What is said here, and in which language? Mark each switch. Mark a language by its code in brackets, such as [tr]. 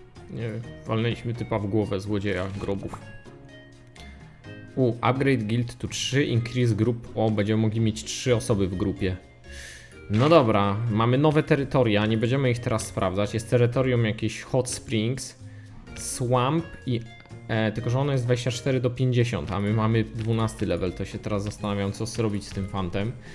[pl] Nie wiem, walnęliśmy typa w głowę, złodzieja grobów. [en] Upgrade guild to 3, increase group. [pl] O, będziemy mogli mieć 3 osoby w grupie. No dobra, mamy nowe terytoria, nie będziemy ich teraz sprawdzać. Jest terytorium jakieś Hot Springs, Swamp i... tylko, że ono jest 24 do 50, a my mamy 12 level, to się teraz zastanawiam, co zrobić z tym fantem.